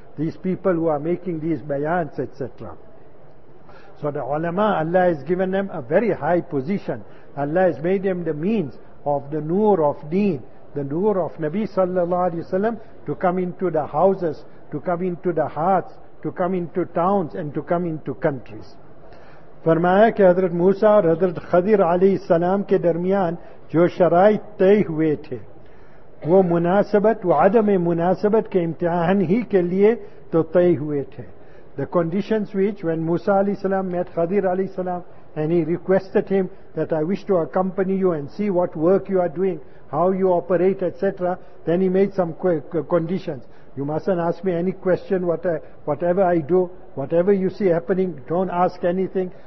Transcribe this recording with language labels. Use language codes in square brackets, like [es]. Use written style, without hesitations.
[en] These people who are making these bayans, etc. So the ulama, Allah has given them a very high position. Allah has made them the means of the noor of deen, the noor of Nabi sallallahu alayhi wa sallam, to come into the houses, to come into the hearts, to come into towns, and to come into countries. [ur] فرمایا کہ حضرت موسیٰ اور حضرت خضر علیہ السلام کے درمیان جو شرائط طے ہوئے تھے وہ مناسبت و عدم مناسبت کے امتحان ہی کے لیے تو طے ہوئے تھے. [en] The conditions which when Musa alayhi salam met Khadir alayhi salam and he requested him that I wish to accompany you and see what work you are doing, how you operate, etc. Then he made some conditions. You mustn't ask me any question, whatever I do, whatever you see happening, don't ask anything.